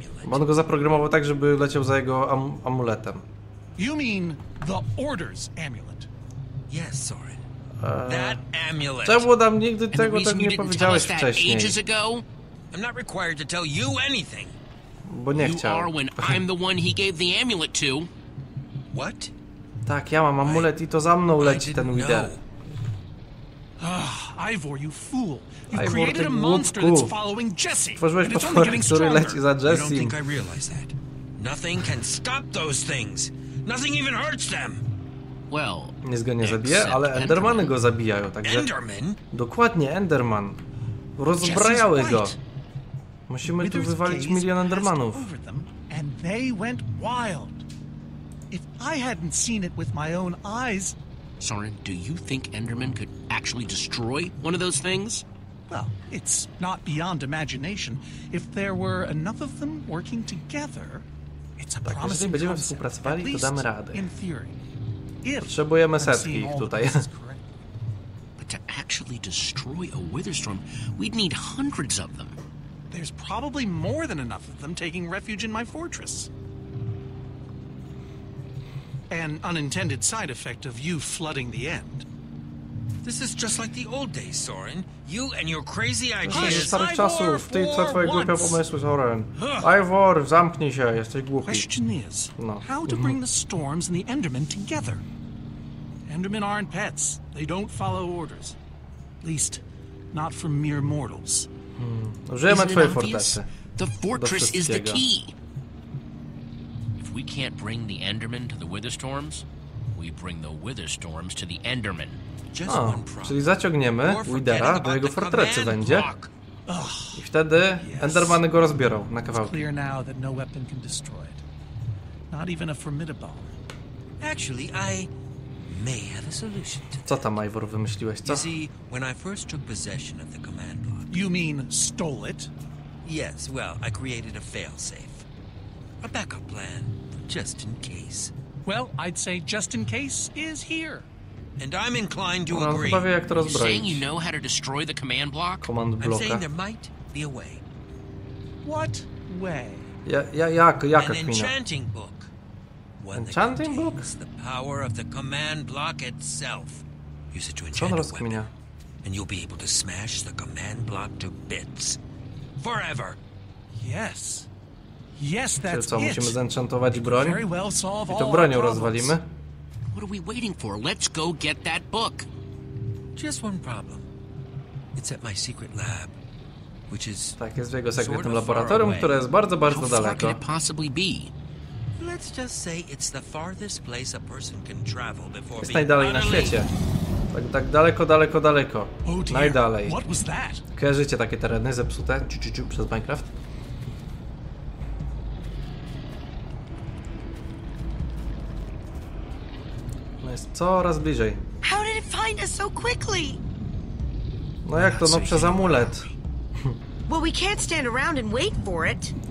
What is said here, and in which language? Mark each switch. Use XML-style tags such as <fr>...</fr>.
<pl>On go zaprogramował tak, żeby leciał za jego amuletem.</pl> <en>You mean the Order's amulet? Yes, Soren. That amulet.</en> <pl>Czemu nam nigdy tego tak nie powiedziałeś wcześniej?</pl> <en>I'm not required to tell you anything.</en> <pl>Bo nie chciał.</pl> <en>You are when I'm the one he gave the amulet to. What?</en> <pl>Tak, ja mam amulet i to za mną leci ten Wither.</pl> <en>Ivor, you fool! You created a monster that's following Jesse.</en> <pl>Tworzyłeś potwór, który leci za Jesse.</pl> <en>I don't think I realize that. Nothing can stop those things. Nothing even hurts them. Well,</en> <pl>nic go nie zabije, ale Endermany go zabijają, także.</pl> <en>Enderman?</en> <pl>Dokładnie, Enderman. Rozbrajały go. Musimy tu wywalić milion Endermanów.</pl> <en>And they went wild. If I hadn't seen it with my own eyes. Soren, do you think Enderman could actually destroy one of those things? Well, it's not beyond imagination. If there were enough of them working together, it's a promising concept, at least in theory. If I'm seeing all of this correct. But to actually destroy a Witherstorm, we'd need hundreds of them. There's probably more than enough of them taking refuge in my fortress. An unintended side effect of you flooding the end. This is just like the old days, Soren. You and your crazy ideas. Hush,</en> <pl>starych czasów. Ty, co twoje głupie pomysły, Soren. Ivor, zamknij się, jesteś głupi.</pl> <en>Question is, how to bring the storms and the Endermen together? Endermen aren't pets. They don't follow orders. At least, not from mere mortals.</en> <pl>Użyjemy twojej fortecy.</pl> <en>The fortress is the key. We can't bring the Endermen to the Witherstorms. We bring the Witherstorms to the Endermen. Just one problem.</en> <pl>Czyli zaciągniemy Withera do jego fortecy będzie. I wtedy Endermany go rozbiorą na kawałki.</pl> <en>It's clear now that no weapon can destroy it. Not even a formidable. Actually, I may have a solution.</en> <pl>Co tam, Ivor, wymyśliłeś? Co?</pl> <en>You see, when I first took possession of the command block. You mean stole it? Yes. Well, I created a failsafe. A backup plan, just in case. Well, I'd say just in case is here. And I'm inclined to agree.</en> <pl>Chyba wie, jak to rozbroić.</pl> <en>Saying you know how to destroy the command block? Command I'm saying there might be a way. What way?</en> <pl>Jak</pl> <en>an enchanting book. One enchanting book? The power of the command block itself. Use it to enchant a weapon. And you'll be able to smash the command block to bits. Forever. Yes. Yes, that's it.</en> <pl>Musimy zenchantować broń. I to bronią rozwalimy.</pl> <en>What are we waiting for? Let's go get that book. Just one problem. It's at my secret lab, which is</en> <pl>tak jest w jego sekretnym laboratorium, które jest bardzo, bardzo daleko.</pl> <en>Let's go. Let's just say it's the farthest place a person can travel before.</en> <pl>Jest najdalej na świecie. Tak, tak daleko, daleko, daleko. Najdalej.</pl> <en>What was that?</en> <pl>Kojarzycie takie tereny zepsute przez Minecraft? No jest coraz bliżej.</pl> <en>How did it find us so quickly?</en> <pl>No jak to, no przez amulet.</pl> <en>Well, we can't stand around and wait for it.</en>